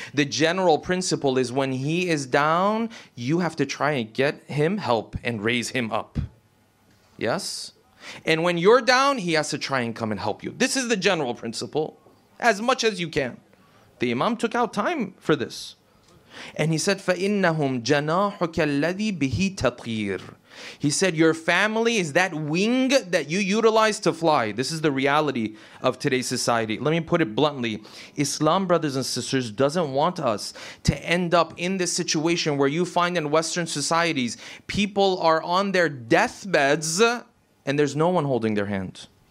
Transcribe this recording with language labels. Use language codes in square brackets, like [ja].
[en] The general principle is when he is down, you have to try and get him help and raise him up. Yes? And when you're down, he has to try and come and help you. This is the general principle, as much as you can. The Imam took out time for this. And he said, [ar] فَإِنَّهُمْ جَنَاحُكَ الَّذِي بِهِ تَطِيرُ. [en] He said, your family is that wing that you utilize to fly. This is the reality of today's society. Let me put it bluntly. Islam, brothers and sisters, doesn't want us to end up in this situation where you find in Western societies, people are on their deathbeds and there's no one holding their hand.